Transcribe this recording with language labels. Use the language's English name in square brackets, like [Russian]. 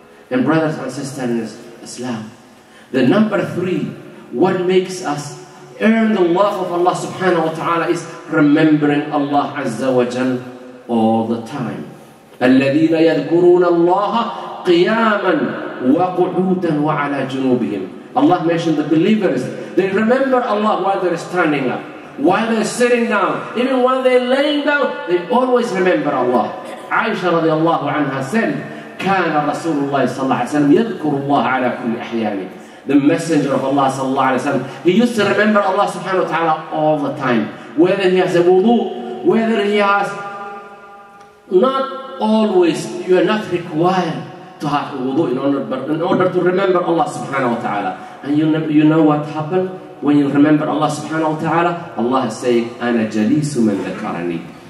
[English] And brothers and sisters in Islam, the number three, what makes us earn the love of Allah subhanahu wa ta'ala is remembering Allah azza wa jal all the time. [Arabic] الَّذِينَ يَذْكُرُونَ اللَّهَ قِيَامًا وَقُعُودًا وَعَلَى جُنُوبِهِمْ. [English] Allah mentioned the believers, they remember Allah while they're standing up, while they're sitting down, even when they're laying down, they always remember Allah. Aisha radiallahu anha said, [Arabic] كَانَ رَسُولُ اللَّهِ صَلَّى اللَّهِ عَلَيْهِ وَسَلَّمْ يَذْكُرُ اللَّهَ عَلَى كُلِّ أَحْيَانِهِ. [English] The messenger of Allah sallallahu alayhi wa sallam, he used to remember Allah subhanahu wa ta'ala all the time. Whether he has a wudu, whether he has, not always, you are not required to have a wudu in order to remember Allah subhanahu wa ta'ala. And you know what happened? When you remember Allah subhanahu wa ta'ala, Allah is saying, [Arabic] Ana jalisu man dhakarani.